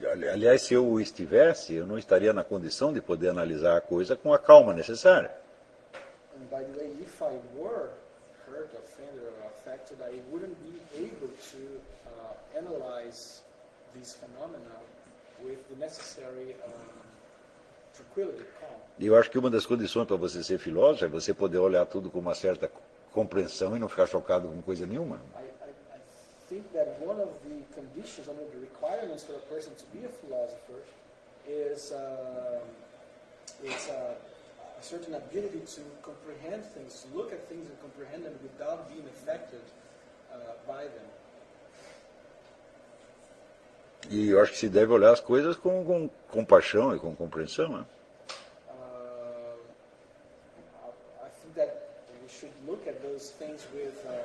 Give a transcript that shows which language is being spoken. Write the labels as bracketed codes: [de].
[pt] Aliás, se eu estivesse, eu não estaria na condição de poder analisar a coisa com a calma necessária. [en] And by the way, if I were hurt, offended, or affected, I wouldn't be able to analyze this phenomena with the necessary tranquility, calm. [pt] Eu acho que uma das condições para você ser filósofo é você poder olhar tudo com uma certa compreensão e não ficar chocado com coisa nenhuma. [en] I think that one of the conditions, one of the requirements for a person to be a philosopher is a certain ability to comprehend things, to look at things and comprehend them without being affected by them. [pt] E eu acho que se deve olhar as coisas com compaixão e com compreensão, né? [en] I think that we should look at those things with